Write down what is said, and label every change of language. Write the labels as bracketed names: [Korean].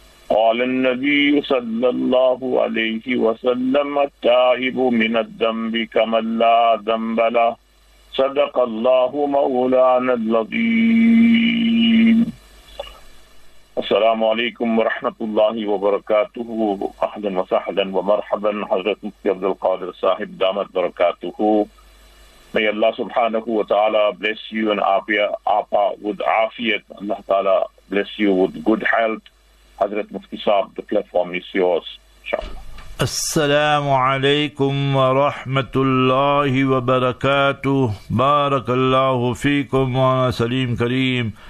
[Arabic] قال النبي صلى الله عليه وسلم التائب من الذنب كمن لا ذنب له. صدق الله مولانا العظيم. السلام عليكم ورحمة الله وبركاته. أهلا وسهلا ومرحبا حضرة مفتي عبد القادر صاحب دامت بركاته. [English] May Allah subhanahu wa ta'ala bless you and Aapa with afiyat. Allah ta'ala bless you with good health. [Arabic] حضرة مفتي صاحب, [English] the platform is yours. [Arabic] Inshallah. السلام عليكم ورحمة الله وبركاته. بارك الله فيكم وسليم كريم.